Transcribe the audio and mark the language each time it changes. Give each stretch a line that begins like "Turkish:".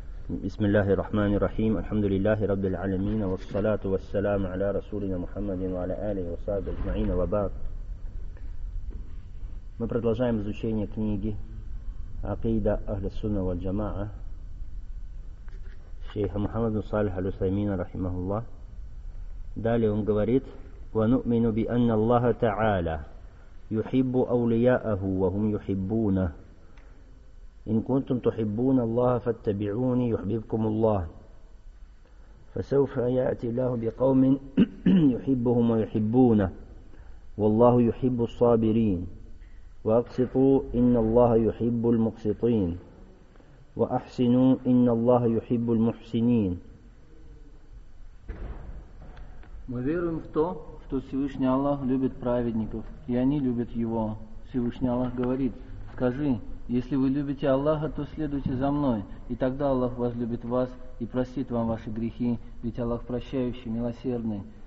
Arabic: بسم الله الرحمن الرحيم الحمد لله رب العالمين والصلاة والسلام على رسولنا محمد وعلى آله وصحبه أجمعين وبعد.
Russian: Мы продолжаем изучение книги Акида Ахля Сунна валь Джамаа шейха Мухаммада Салиха аль-Усаймина рахимахуллах. Далее он говорит:
Arabic: "Ва нуъмину би анна Аллаха тааля юхиббу аулияаху ва хум юхиббуна" إن كنتم تحبون الله فاتبعوني يحببكم الله فسوف يأتي الله بقوم يحبهم ويحبونه والله يحب الصابرين وأقسطوا إن الله يحب المقسطين وأحسنوا إن الله يحب المحسنين.
Russian: Мы веруем в то, что Всевышний Аллах любит праведников, и они любят Его. Всевышний Аллах говорит: «Скажи, если вы любите Аллаха, то следуйте за мной, и тогда Аллах возлюбит вас и простит вам ваши грехи, ведь Аллах прощающий, милосердный».